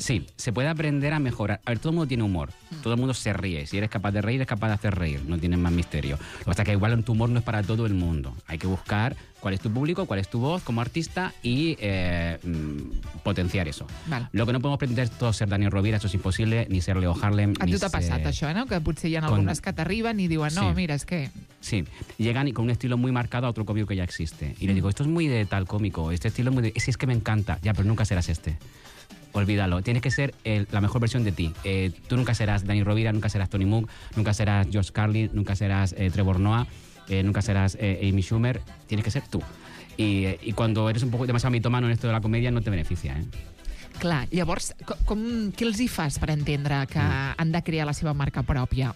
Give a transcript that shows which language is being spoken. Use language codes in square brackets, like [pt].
[es] Sí, se puede aprender a mejorar. A ver, todo el mundo tiene humor. Todo el mundo se ríe. Si eres capaz de reír, eres capaz de hacer reír. No tienes más misterio. O sea, que igual tu humor no es para todo el mundo. Hay que buscar cuál es tu público, cuál es tu voz como artista y potenciar eso. Vale. Lo que no podemos pretender es todo ser Daniel Rovira, eso es imposible, ni ser Leo Harlem. [ca] A tu t'ha passat això, no? Que potser hi ha algunes que t'arriben i diuen, no, mira, és que... [es] Sí, llegan y con un estilo muy marcado a otro cómico que ya existe. Y le digo, esto es muy de tal cómico, este estilo es muy de... Sí, es que me encanta, ya, pero nunca serás este. Olvídalo, tienes que ser la mejor versión de ti. Tú nunca serás Dani Rovira, nunca serás Tony Mook, nunca serás George Carlin, nunca serás Trevor Noah, nunca serás Amy Schumer, tienes que ser tú. Y cuando eres un poco demasiado mitómano en esto de la comedia, no te beneficia, ¿eh? [ca] Clar, llavors, què els hi fas per entendre que han de crear la seva marca pròpia?